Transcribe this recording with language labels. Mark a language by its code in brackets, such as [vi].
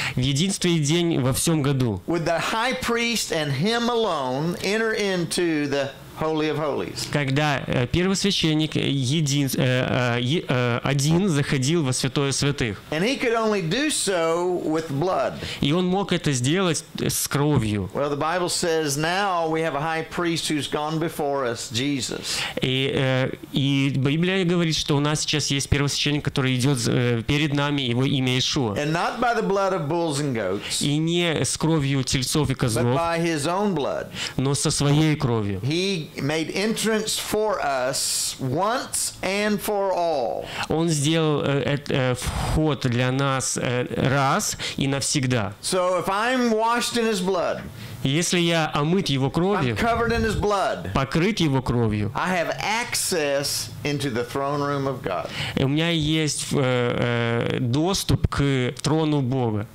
[ru] В единственный день во всем году. [en] Would the high priest and him alone enter into the Holy of Holies. [ru] Когда первосвященник один заходил во святое святых. [en] And he could only do so with blood. [ru] И он мог это сделать с кровью. [en] Well, the Bible says now we have a high priest who's gone before us, Jesus. [ru] И Библия говорит, что у нас сейчас есть первосвященник, который идет перед нами, его имя Иешуа. [en] And not by the blood of bulls and goats. [ru] И не с кровью тельцов и козлов. [en] But by his own blood. [ru] Но со своей кровью. [en] Made entrance for us once and for all. [ru] Он сделал вход для нас раз и навсегда. [en] So if I'm washed in his blood, [ru] если я омыт его кровью, [en] I'm covered in his blood, [ru] покрыт его кровью, [en] I have access into the throne room of God. [ru] У меня есть доступ к трону Бога.